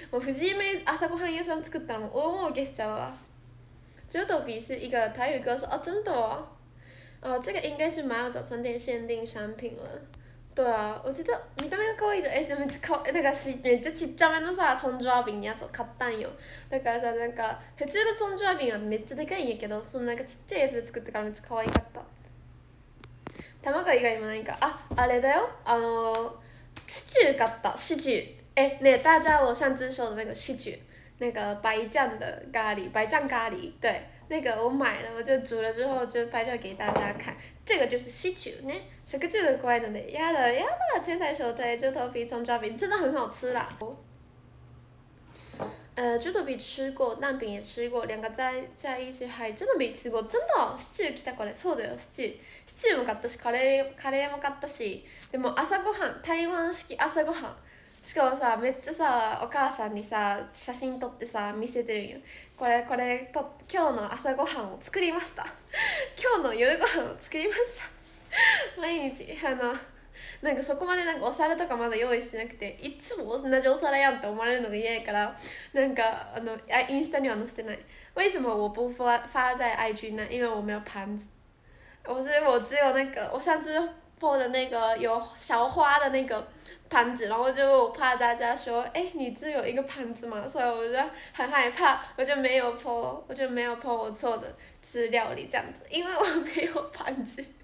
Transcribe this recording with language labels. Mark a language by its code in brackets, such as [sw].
[ja] もう藤井名朝ごはん屋さん作ったらもう大儲けしちゃうわ。 [zh] 猪头皮是一个台语歌手哦，真的哦，哦，这个应该是马友早餐店限定商品了。对啊，我觉得 [ja] 見た目が可愛いで、え、でもちか、え、だからし、めっちゃちっちゃめのさ、葱抓饼やそう買ったんよ。だからさ、なんか普通の葱抓饼はめっちゃでかいんやけど、そのなんかちっちゃいやつで作ってからめっちゃ可愛かった。卵以外も何か、あ、あれだよ、シチュー買った、シチュー。え、ね、 [zh] 大家我上次说的那个 [ja] シチュー。 [zh] 那个白酱的咖喱，白酱咖喱，对，那个我买了，我就煮了之后就拍照给大家看。这个就是西球呢，食事的怪的呢，呀的呀的，千台手推猪头皮葱抓饼真的很好吃啦。猪头皮吃过，蛋饼也吃过，两个在一起还真的没吃过，真的。 [ja] 西球来たこれ、そうだよ、西球。西球も買ったし、カレーも買ったし、でも朝ごはん、台湾式朝ごはん。しかもさ、めっちゃさ、お母さんにさ、写真撮ってさ、見せてるんよ。これと、今日の朝ごはんを作りました。今日の夜ごはんを作りました。毎日、なんかそこまでなんかお皿とかまだ用意してなくて、いつも同じお皿やんって思われるのが嫌やから、なんか、インスタには載せてない。 [zh] 为什么我不发在 IG 呢？因为我没有盘子。我只有那个，我上次po的那个有小花的那个盘子，然后就我怕大家说，哎，你只有一个盘子嘛，所以我就很害怕，我就没有po我做的吃料理这样子，因为我没有盘子。